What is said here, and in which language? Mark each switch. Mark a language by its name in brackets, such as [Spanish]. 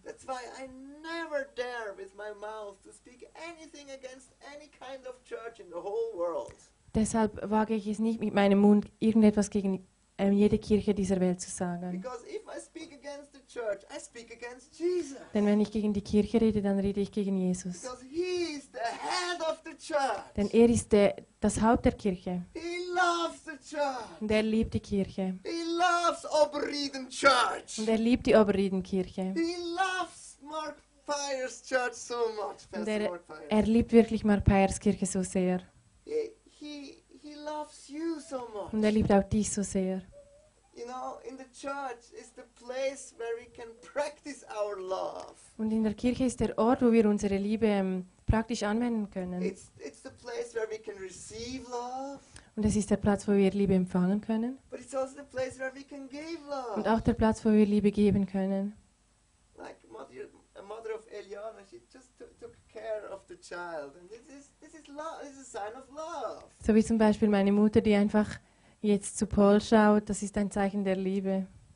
[English] That's why I never dare with my mouth to speak anything against any kind of church in the whole world. [German] Deshalb wage ich es nicht mit meinem Mund irgendetwas gegen jede Kirche dieser Welt zu sagen. [English] Because if I speak against the church, I speak against Jesus. [German] Denn wenn ich gegen die Kirche rede, dann rede ich gegen Jesus. [English] Because he is the head of the church. [German] Denn er ist das Haupt der Kirche. [English] He loves the church. [German] Und er liebt die Kirche. [English] He loves Oberrieden Church. [German] Und er liebt die Oberrieden Kirche. [English] He loves Mark Pyre's Church so much. [German] Und er liebt wirklich Mark Pyre's Kirche so sehr. [English] He loves you so much. [German] Und er liebt auch dich so sehr. [English] You know, in the church is the place where we can practice our love. [German] Und in der Kirche ist der Ort, wo wir unsere Liebe praktisch anwenden können. [English] It's the place where we can receive love. [German] Und es ist der Platz, wo wir Liebe empfangen können. [English] But it's also the place where we can give love. [German] Und auch der Platz, wo wir Liebe geben können. [English] Like a mother of Eliana, she just took care of the child, and this is a sign of love. [German] So wie zum Beispiel meine Mutter, die einfach jetzt zu Paul schaut, das ist ein Zeichen der Liebe.